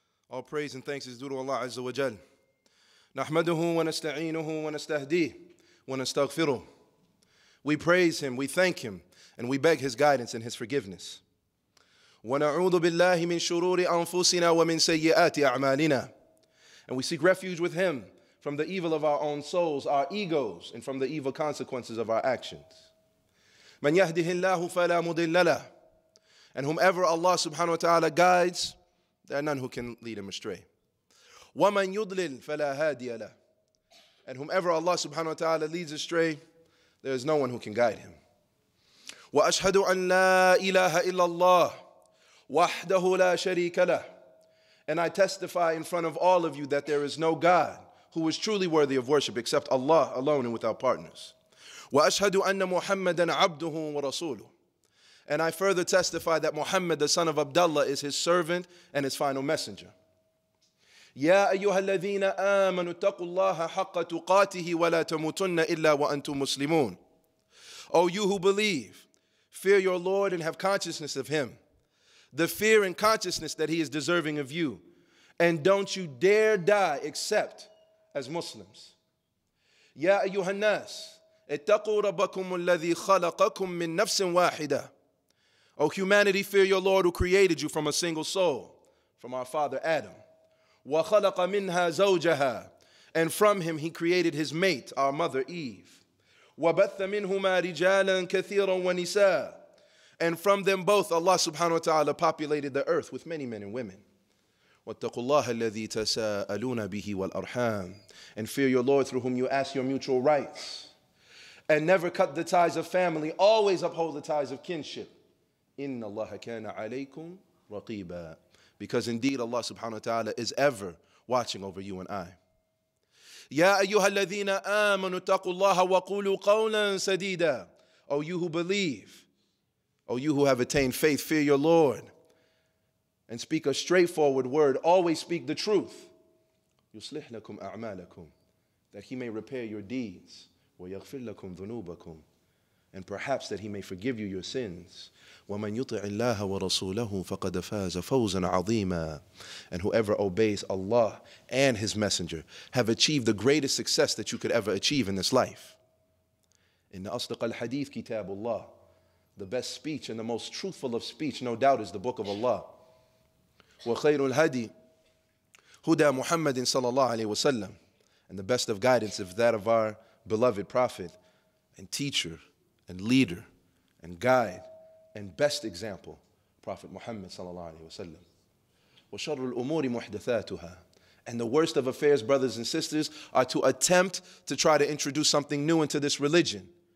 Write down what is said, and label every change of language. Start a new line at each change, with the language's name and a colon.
English: All praise and thanks is due to Allah
Arabic: عز وجل. نحمده ونستعينه ونستهديه ونستغفره.
English: We praise him, we thank him, and we beg his guidance and his forgiveness.
Arabic: ونعوذ بالله من شرور أنفسنا ومن سيئات أعمالنا.
English: And we seek refuge with him from the evil of our own souls, our egos, and from the evil consequences of our actions.
Arabic: من يهده الله فلا مضل له.
English: And whomever Allah subhanahu wa ta'ala guides, there are none who can lead him astray.
Arabic: ومن يضلل فلا هادي له.
English: And whomever Allah subhanahu wa ta'ala leads astray, there is no one who can guide him.
Arabic: وأشهد أن لا إله إلا الله وحده لا شريك له.
English: And I testify in front of all of you that there is no God who is truly worthy of worship except Allah alone and without partners.
Arabic: وأشهد أن محمدًا عبده ورسوله.
English: And I further testify that Muhammad, the son of Abdullah, is his servant and his final messenger.
Arabic: يا أيها الذين آمنوا اتقوا الله حق تقاته ولا تموتن إلا وأنتم مسلمون.
English: O you who believe, fear your Lord and have consciousness of him. The fear and consciousness that he is deserving of you. And don't you dare die except as Muslims.
Arabic: يا أيها الناس اتقوا ربكم الذي خلقكم من نفس واحدة.
English: O humanity, fear your Lord who created you from a single soul, from our father Adam.
Arabic: وخلق منها زوجها.
English: And from him he created his mate, our mother Eve.
Arabic: وبث منهما رجالا كثيرا ونساء.
English: And from them both, Allah subhanahu wa ta'ala populated the earth with many men and women.
Arabic: واتقوا الله الذي تساءلون به والأرحام.
English: And fear your Lord through whom you ask your mutual rights. And never cut the ties of family, always uphold the ties of kinship.
Arabic: إن الله كان عليكم رقيبا.
English: Because indeed Allah subhanahu wa ta'ala is ever watching over you and I.
Arabic: يا أيها الذين آمنوا اتقوا الله وقولوا قولا سديدا.
English: O you who believe, O you who have attained faith, fear your Lord and speak a straightforward word. Always speak the truth.
Arabic: يصلح لكم أعمالكم.
English: That he may repair your deeds.
Arabic: ويغفر لكم ذنوبكم.
English: And perhaps that he may forgive you your sins.
Arabic: ومن يطع الله ورسوله فقد فاز فوزا عظيما.
English: And whoever obeys Allah and his messenger have achieved the greatest success that you could ever achieve in this life.
Arabic: إن أصدق الحديث كتاب الله.
English: The best speech and the most truthful of speech, no doubt, is the book of Allah.
Arabic: وخير الهدي هدى محمد صلى الله عليه وسلم.
English: And the best of guidance is that of our beloved prophet and teacher and leader and guide and best example, Prophet Muhammad sallallahu alayhi wa sallam.
Arabic: وَشَرُّ الْأُمُورِ مُحْدَثَاتُهَا.
English: And the worst of affairs, brothers and sisters, are to attempt to try to introduce something new into this religion.